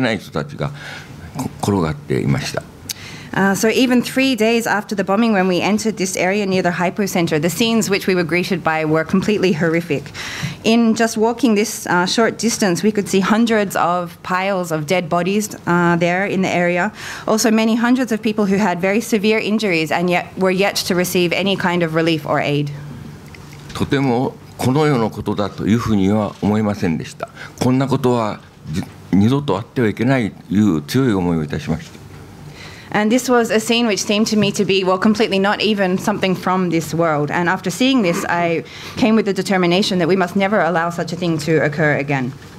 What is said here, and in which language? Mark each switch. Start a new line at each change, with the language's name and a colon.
Japanese: 爆心地帯の惨状は3日後も凄まじいものでありました。おばの家に届くまでに何百人という死体がそのまま放置されておりましたし、何百人という大怪我をしてまだ救護を受けていない人たちが転がっていました。
English: So even 3 days after the bombing, when we entered this area near the hypocenter, the scenes which we were greeted by were completely horrific. In just walking this short distance, we could see hundreds of piles of dead bodies there in the area. Also many hundreds of people who had very severe injuries and yet were yet to receive any kind of relief or aid.
Japanese: とてもこのようなことだというふうには思いませんでした。こんなことは二度とあってはいけないという強い思いをいたしました。
English: And this was a scene which seemed to me to be, well, completely not even something from this world. And after seeing this, I came with the determination that we must never allow such a thing to occur again.